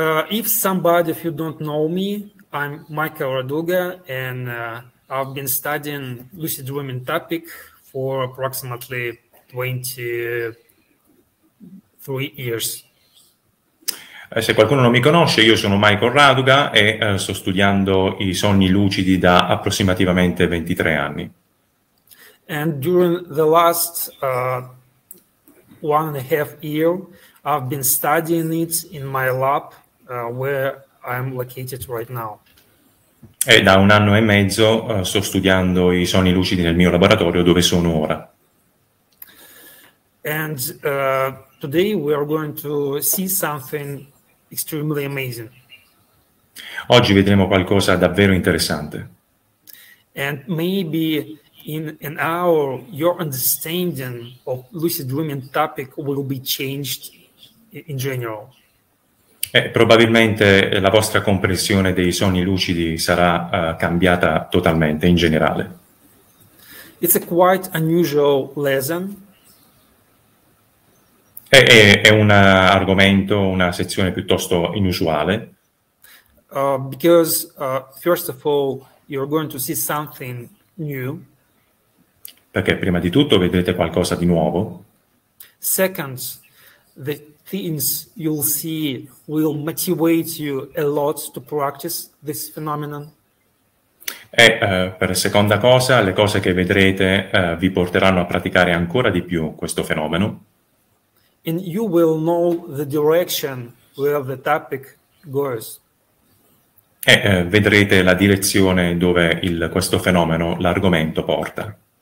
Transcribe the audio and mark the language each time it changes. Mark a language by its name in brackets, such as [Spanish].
[English] If somebody, if you don't know me, I'm Michael Raduga, and I've been studying lucid dreaming topic for approximately 23 years. [Italian] Se qualcuno non mi conosce, io sono Michael Raduga e sto studiando i sogni lucidi da approssimativamente 23 anni. [English] And during the last 1.5 year, I've been studying it in my lab where I'm located right now. [Italian] E da un anno e mezzo sto studiando i sogni lucidi nel mio laboratorio dove sono ora. [English] And today we are going to see something extremely amazing. [Italian] Oggi vedremo qualcosa davvero interessante. [English] And maybe in an hour your understanding of lucid dreaming topic will be changed in general. [Italian] Probabilmente la vostra comprensione dei sogni lucidi sarà cambiata totalmente in generale. [English] It's a quite unusual lesson. [Italian] È un argomento, una sezione piuttosto inusuale. [English] Because first of all, you're going to see something new. [Italian] Perché prima di tutto vedrete qualcosa di nuovo. [English] Second, the things you'll see will motivate you a lot to practice this phenomenon. [Italian] E per seconda cosa, le cose che vedrete vi porteranno a praticare ancora di più questo fenomeno. [English] And you will know the direction where the topic goes. [Italian] Vedrete la direzione dove questo fenomeno, l'argomento, porta.